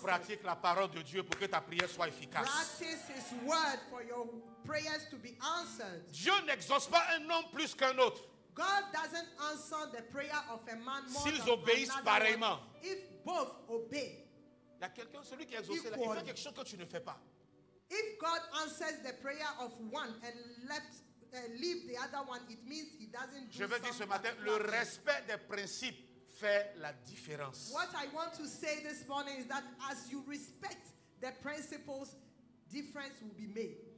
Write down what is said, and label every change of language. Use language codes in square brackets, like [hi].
[fr] En pratique la parole de Dieu pour que ta prière soit efficace. [en] Practice his word for your prayers to be answered. [fr] Dieu n'exauce pas un homme plus qu'un autre. [en] God doesn't answer the prayer of a man more [fr] s'ils [en] than [fr] obéissent pareillement. [en] If both obey. [fr] Il y a quelqu'un, celui qui exauce là, il fait quelque chose que tu ne fais pas. [en] If God answers the prayer of one and leave the other one, it means he doesn't do. [fr] Je veux dire ce matin, le respect des principes fait la différence. [en] What I want to say this morning is that as you respect the principles, difference will be made.